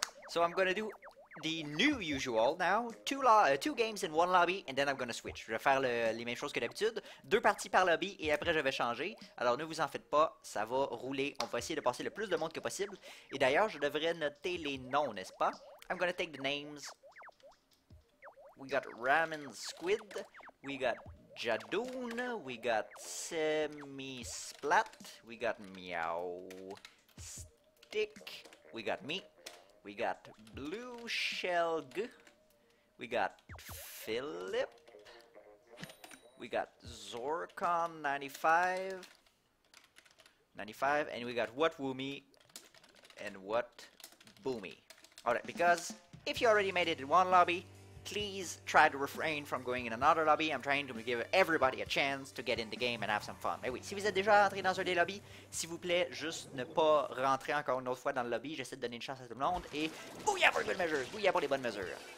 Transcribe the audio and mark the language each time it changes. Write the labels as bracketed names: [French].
[English] So I'm gonna do the new usual now. Two games in one lobby, and then I'm gonna switch. [French] Je vais faire les mêmes choses que d'habitude. Deux parties par lobby, et après je vais changer. Alors ne vous en faites pas, ça va rouler. On va essayer de passer le plus de monde que possible. Et d'ailleurs, je devrais noter les noms, n'est-ce pas? [English] I'm gonna take the names. We got Ramen Squid. We got Jadoon, we got Semi Splat, we got Meow Stick, we got me, we got Blue Shell G, we got Philip, we got Zorkon 95, and we got What Woomy and What Boomy. Alright, because if you already made it in one lobby, please try to refrain from going in another lobby. I'm trying to give everybody a chance to get in the game and have some fun. [French] Mais oui, si vous êtes déjà entré dans un des lobbies, s'il vous plaît, juste ne pas rentrer encore une autre fois dans le lobby. J'essaie de donner une chance à tout le monde et [English] booyah for good measures, [French] booyah pour les bonnes mesures.